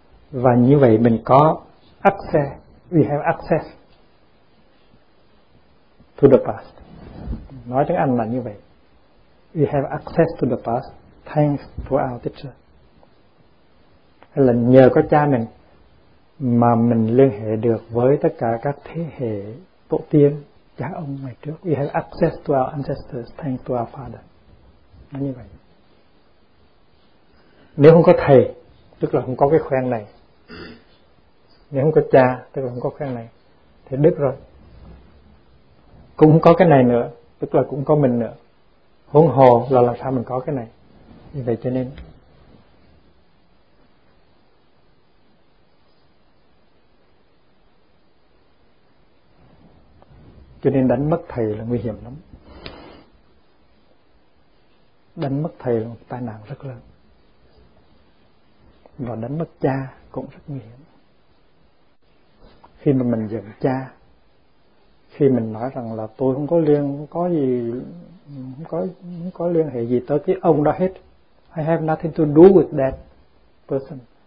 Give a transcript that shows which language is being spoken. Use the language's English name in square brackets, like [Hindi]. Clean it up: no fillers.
[Vietnamese] Và như vậy mình có access, [English] we have access to the past. [Vietnamese] Nói tiếng Anh là như vậy, we have access to the past, [English] thanks for our teacher. [Vietnamese] Hay là nhờ có cha mình mà mình liên hệ được với tất cả các thế hệ tổ tiên, cha ông ngày trước. [English] We have access to our ancestors, thanks to our father. [Vietnamese] Nó như vậy. Nếu không có thầy, tức là không có cái khoen này. Nếu không có cha, tức là không có khoen này. Thì đứt rồi. Cũng không có cái này nữa, tức là cũng có mình nữa. Huống hồ là làm sao mình có cái này. Vì vậy cho nên đánh mất thầy là nguy hiểm lắm. Đánh mất thầy là một tai nạn rất lớn. Và đánh mất cha cũng rất nguy hiểm. Khi mà mình giận cha, khi mình nói rằng là tôi không có liên, không có gì, không có liên hệ gì tới cái ông đó hết. [English] I have nothing to do with that person.